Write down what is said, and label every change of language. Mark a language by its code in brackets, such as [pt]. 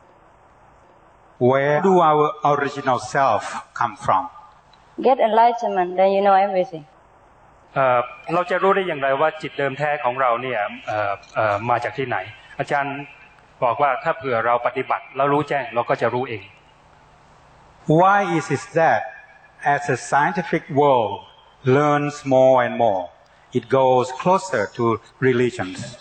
[en] ๆ Where do our original self come from Get enlightenment then you know everything [th] เราจะรู้ได้อย่างไรว่าจิตเดิมแท้ของเราเนี่ยมาจากที่ไหนอาจารย์บอกว่าถ้าเผื่อเราปฏิบัติแล้วรู้แจ้งเราก็จะรู้เอง [en] Why is it that as the scientific world learns more and more it goes closer to religions